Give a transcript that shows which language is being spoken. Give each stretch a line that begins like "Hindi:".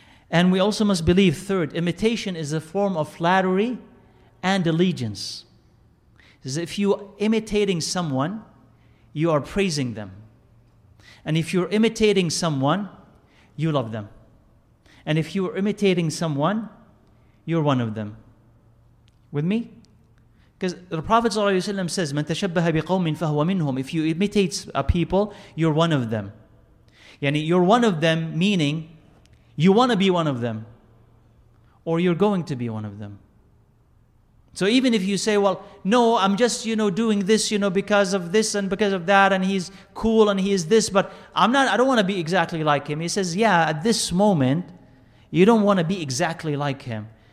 English: And we also must believe, third, imitation is a form of flattery and allegiance. It says if you're imitating someone, you are praising them. And if you're imitating someone, you love them. And if you're imitating someone, you're one of them. With me? Because the Prophet ﷺ says,
Arabic: مَن تَشَبَّهَ بِقَوْمٍ فَهُوَ مِنْهُمْ.
English: If you imitate a people, you're one of them. Yani, you're one of them, meaning you want to be one of them. Or you're going to be one of them. So even if you say, well, no, I'm just, you know, doing this, you know, because of this and because of that, and he's cool and he is this, but I don't want to be exactly like him. He says, yeah, at this moment, you don't want to be exactly like him.